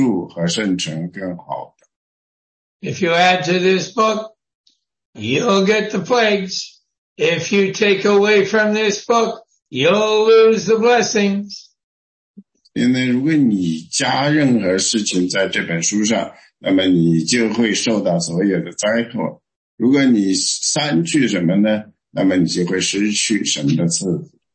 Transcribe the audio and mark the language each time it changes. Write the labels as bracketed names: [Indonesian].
[Chinese] 你也想象不出来还有什么东西比这生命树和圣城更好的。 [English] If you add to this book, you'll get the plagues. If you take away from this book, you'll lose the blessings. [Chinese] 因为如果你加任何事情在这本书上，那么你就会受到所有的灾祸。如果你删去什么呢，那么你就会失去神的赐福。